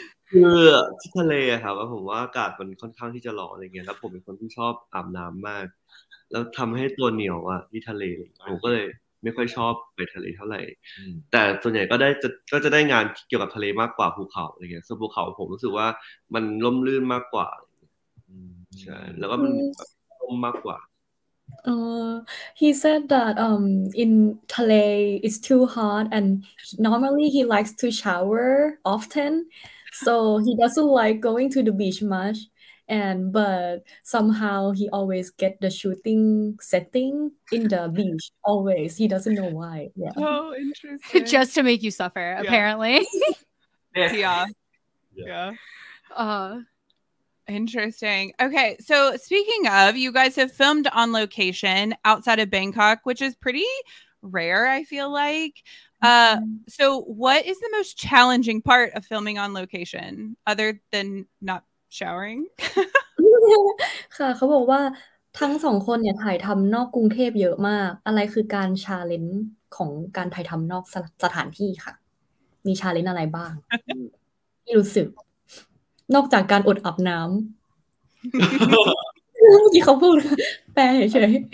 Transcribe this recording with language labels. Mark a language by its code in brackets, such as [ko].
[th] คือที่ทะเลครับผมว่าอากาศมันค่อนข้างที่จะร้อนอะไรเงี้ยแล้วผมเป็นคนที่ชอบอาบน้ำมากแล้วทำให้ตัวเหนียวอ่ะที่ทะเลผมก็เลยไม่ค่อยชอบไปทะเลเท่าไหร่แต่ส่วนใหญ่ก็จะได้งานเกี่ยวกับทะเลมากกว่าภูเขาอะไรเงี้ยส่วนภูเขาผมรู้สึกว่ามันร่มรื่นมากกว่าใช่แล้วก็มันร่มมากกว่า [en] He said that in Thale it's too hot and normally he likes to shower often, so he doesn't like going to the beach much. But somehow he always get the shooting setting in the beach. Always, he doesn't know why. Yeah. Oh, interesting. Just to make you suffer, yeah. Apparently. Yeah. Yeah. Yeah. Interesting. Okay, so speaking of, you guys have filmed on location outside of Bangkok, which is pretty rare, I feel like. So what is the most challenging part of filming on location, other than not showering? [th] ค่ะเขาบอกว่าทั้งสองคนเนี่ยถ่ายทำนอกกรุงเทพเยอะมากอะไรคือการ challenge ของการถ่ายทำนอกสถานที่ค่ะมี challenge อะไรบ้างที่รู้สึกนอกจากการอดอาบน้ำเมื่อกี้เขาพูดแปลเฉย